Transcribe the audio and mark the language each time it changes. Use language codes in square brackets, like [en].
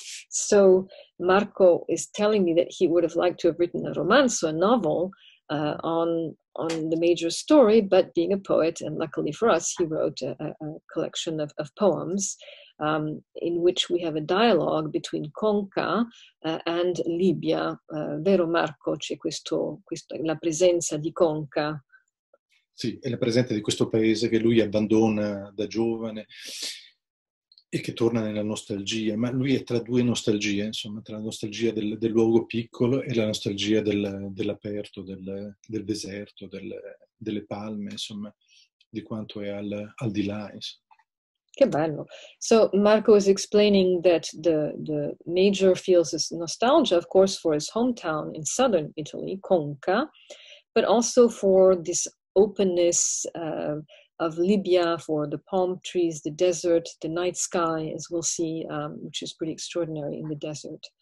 [en] So Marco is telling me that he would have liked to have written a romanzo, a novel, on the major story, but being a poet, and luckily for us, he wrote a collection of poems in which we have a dialogue between Conca and Libya. [it] Vero Marco, c'è questo la presenza di Conca? Sì, è la presenza di questo paese che lui abbandona da giovane e che torna nella nostalgia, ma lui è tra due nostalgie, insomma, tra la nostalgia del luogo piccolo e la nostalgia dell'aperto, del deserto, delle palme, insomma, di quanto è al di là. Insomma. Che bello. [en] So Marco is explaining that the major feels this nostalgia, of course, for his hometown in southern Italy, Conca, but also for this openness of Libya for the palm trees, the desert, the night sky, as we'll see, which is pretty extraordinary in the desert.